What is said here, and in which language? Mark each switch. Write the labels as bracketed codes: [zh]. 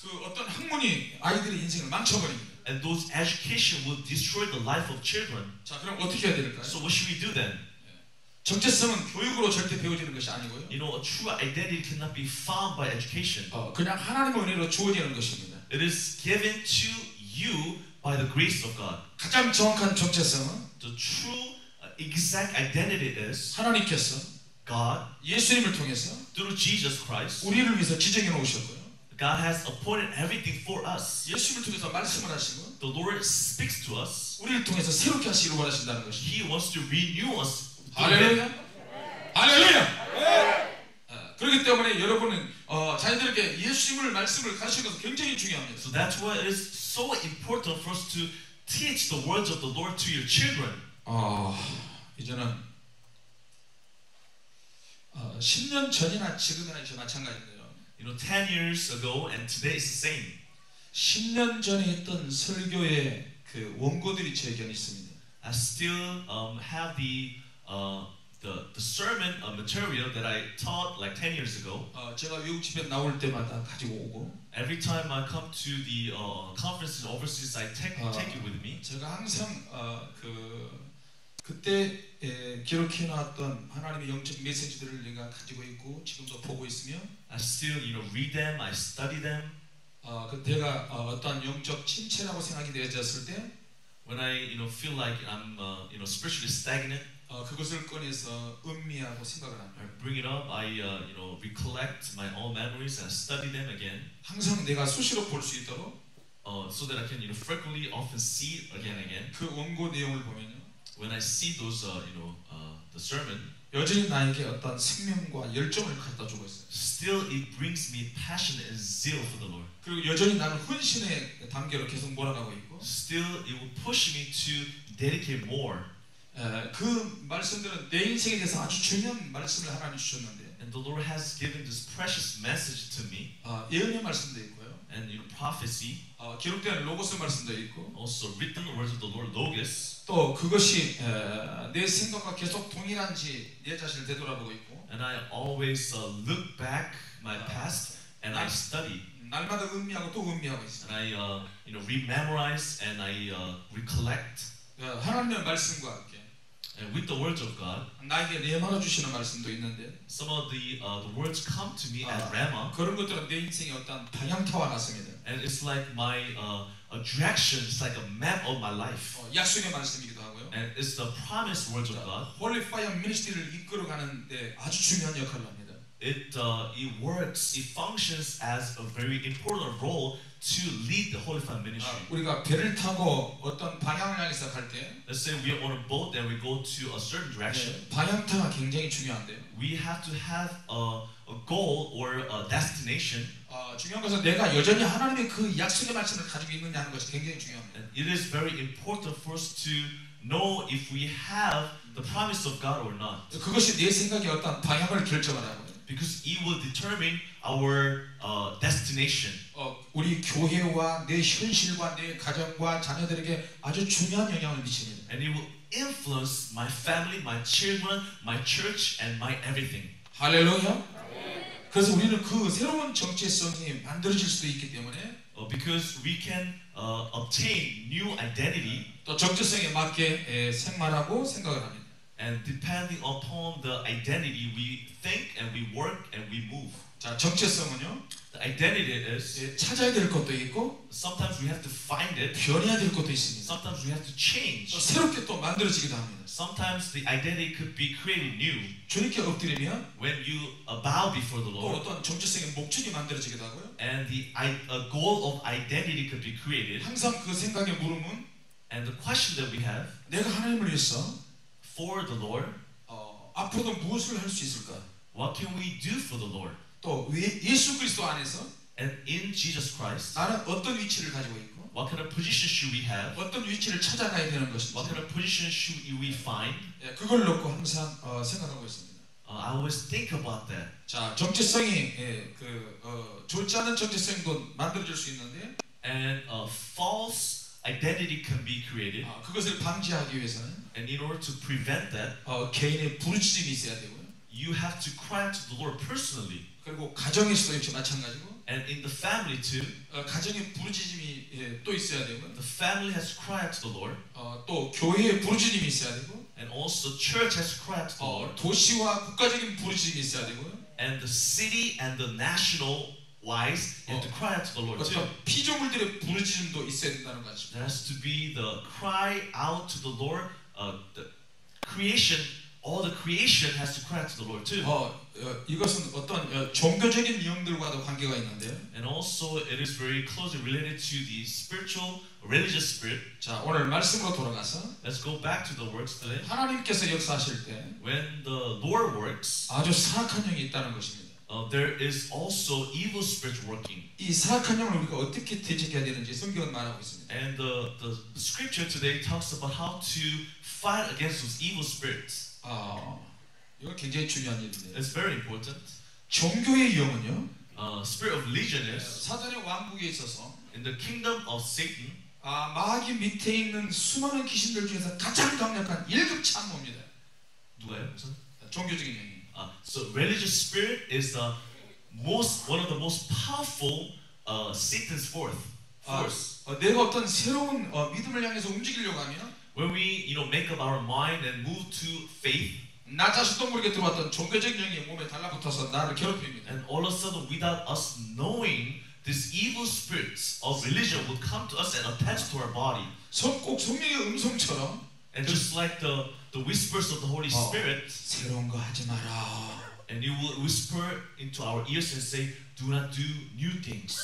[ko] 그 어떤 학문이 아이들의 인생을 망쳐버립니다. [en] And those education will destroy the life of children. [ko] 자 그럼 어떻게 해야 될까요? [en] So what should we do then? [ko] 정체성은 교육으로 절대 배워지는 것이 아니고요. [en] You know, a true identity cannot be found by education. [ko] 그냥 하나님의 은혜로 주어지는 것입니다. [en] It is given to you by the grace of God. [ko] 가장 정확한 정체성은 [en] the true exact identity is [ko] 하나님께서 [en] God [ko] 예수님을 통해서 [en] through Jesus Christ [ko] 우리를 위해서 지정해 놓으셨고요. [en] God has appointed everything for us. [ko] 예수님을 통해서 말씀을 하시고 [en] the Lord speaks to us. [ko] 우리를 통해서 새롭게 하시기를 원하신다는 것이 [en] He wants to renew us. [ko] 할렐루야. 할렐루야. 그렇기 때문에 여러분은 자녀들에게 예수님을 말씀을 가르치는 것은 굉장히 중요합니다. [en] So that's why it is so important for us to teach the words of the Lord to your children. [ko] 이제는 10년 전이나 지금이나 이제 마찬가지인데요. [en] You know, 10 years ago and today is the same. [ko] 10년 전에 했던 설교의 그 원고들이 제게 있습니다. [en] I still have the sermon material that I taught like 10 years ago. [ko] 제가 외국 집회 나올 때마다 가지고 오고. [en] Every time I come to the conferences overseas, I take it with me. [ko] 제가 항상 그때 기록해 놨던 하나님의 영적 메시지들을 내가 가지고 있고 지금도 보고 있으며 [en] I still you know read them I study them [ko] 그때가 어떤 영적 침체라고 생각이 되었을 때 [en] when I you know feel like I'm you know spiritually stagnant [ko] 그것을 꺼내서 음미하고 생각을 합니다. [en] I bring it up I you know recollect my old memories and study them again [ko] 항상 내가 수시로 볼 수 있도록 [en] so that I can you know frequently often see again again [ko] 그 원고 내용을 보면 [en] When I see those, you know, the sermon, [ko] 여전히 나에게 어떤 생명과 열정을 갖다 주고 있어요. [en] Still, it brings me passion and zeal for the Lord. [ko] 그리고 여전히 나는 헌신의 단계로 계속 몰아가고 있고. [en] Still, it will push me to dedicate more. [ko] 그 말씀들은 내 인생에 대해서 아주 중요한 말씀을 하나님 주셨는데. [en] And the Lord has given this precious message to me. [ko] 예언의 말씀도 있고요. [en] And you know, prophecy. [ko] 기록된 로고스 말씀도 있고. [en] Also, written words of the Lord, logos. [ko] 또 그것이 내 생각과 계속 동일한지 내 자신을 되돌아보고 있고 [en] and I always look back my past and I study [ko] 날마다 음미하고 또 음미하고 있어 [en] and I you know re-memorize and I recollect [ko] 하나님의 말씀과 함께 [en] and with the words of God [ko] 나에게 레마로 주시는 말씀도 있는데 [en] some of the words come to me as rema [ko] 그런 것들은 내 인생의 어떤 방향타와 같습니다 [en] and it's like my A direction is like a map of my life. [ko] 약속의 말씀이기도 하고요. [en] And it's the promised words of God. [ko] Holy Fire Ministry를 이끌어 가는데 아주 중요한 역할을 합니다. [en] It works. It functions as a very important role to lead the Holy Family Ministry. [ko] 우리가 배를 타고 어떤 방향을 향해서 갈 때, [en] let's say we are on a boat and we go to a certain direction. [ko] 방향타가 굉장히 중요한데요. [en] We have to have a goal or a destination. [ko] 중요한 것은 내가 여전히 하나님의 그 약속의 말씀을 가지고 있느냐 하는 것이 굉장히 중요합니다. [en] And it is very important for us to know if we have the promise of God or not. [ko] 그것이 내 생각이 어떤 방향을 결정하는 거예요. [en] Because it will determine our destination. [ko] 우리 교회와 내 현실과 내 가정과 자녀들에게 아주 중요한 영향을 미치는. [en] And it will influence my family, my children, my church, and my everything. [ko] 할렐루야. 그래서 우리는 그 새로운 정체성이 만들어질 수도 있기 때문에. [en] Because we can obtain new identity. [ko] 또 정체성에 맞게 생활하고 생각을 합니다. [en] And depending upon the identity, we think and we work and we move. [ko] 자 정체성은요? [en] The identity is [ko] 예, 찾아야 될 것도 있고. [en] Sometimes we have to find it. [ko] 변해야 될 것도 있습니다. [en] Sometimes we have to change. [ko] 또 새롭게 또 만들어지기도 합니다. [en] Sometimes the identity could be created new. [ko] 주님께 엎드리면 [en] when you bow before the Lord. [ko] 또 어떤 정체성의 목적이 만들어지기도 하고요. [en] And the a goal of identity could be created. [ko] 항상 그 생각의 물음은 [en] and the question that we have. [ko] 내가 하나님을 위해서 [en] For the Lord, [ko] 앞으로도 무엇을 할 수 있을까? [en] What can we do for the Lord? [ko] 또 예수 그리스도 안에서 [en] and in Jesus Christ, [ko] 나는 어떤 위치를 가지고 있고? [en] What kind of position should we have? [ko] 어떤 위치를 찾아가야 되는 것인지? [en] What kind of position should we find? [ko] 예, 그걸 놓고 항상 생각하고 있습니다. [en] I always think about that. [ko] 자, 정체성이 예, 그 좋지 않은 정체성도 만들어질 수 있는데, [en] and a false identity can be created. [ko] 그것을 방지하기 위해서는 [en] And in order to prevent that, [ko] 개인의 부르짖음이 있어야 되고요. [en] You have to cry to the Lord personally. [ko] 그리고 가정에서도 역시 마찬가지고. [en] And in the family too, [ko] 가정의 부르짖음이 예, 또 있어야 되고. [en] The family has cried to the Lord. [ko] 또 교회의 부르짖음이 있어야 되고. [en] And also church has cried to the Lord. [ko] 도시와 국가적인 부르짖음이 있어야 되고요. [en] And the city and the national wise have to cry out to the Lord. [ko] 그렇죠. 피조물들의 부르짖음도 있어야 된다는 것이죠. [en] There has to be the cry out to the Lord. The creation, all the creation has to cry out to the Lord too. [ko] 이것은 어떤 종교적인 내용들과도 관계가 있는데요. [en] And also, it is very closely related to the spiritual, religious spirit. [ko] 자 오늘 말씀으로 돌아가서, [en] let's go back to the words today. [ko] 하나님께서 역사하실 때, [en] when the Lord works, [ko] 아주 사악한 영이 있다는 것입니다. [en] There is also evil spirits working. [ko] 이 사악한 영을 우리가 어떻게 대적해야 되는지 성경은 말하고 있습니다. [en] And the scripture today talks about how to fight against those evil spirits. [ko] 이거 굉장히 중요한 일인데. [en] It's very important. [ko] 종교의 영은요? [en] Spirit of religion is [ko] 사단의 왕국에 있어서 [en] in the kingdom of Satan. [ko] 마귀 밑에 있는 수많은 귀신들 중에서 가장 강력한 1급 참모입니다. 누가요? 무슨? 종교적인 영. [en] So religious spirit is the most one of the most powerful Satan's force. [ko] 내가 어떤 새로운 믿음을 향해서 움직이려고 하면 [en] when we you know make up our mind and move to faith [ko] 나 자신도 모르게 들어왔던 종교적인 영이 몸에 달라붙어서 나를 괴롭힙니다. [en] And all of a sudden without us knowing this evil spirits of religion would come to us and attach to our body. [ko] 꼭 성령의 음성처럼 [en] and just like the whispers of the Holy Spirit [ko] 새로운 거 하지 마라 [en] and you will whisper into our ears and say do not do new things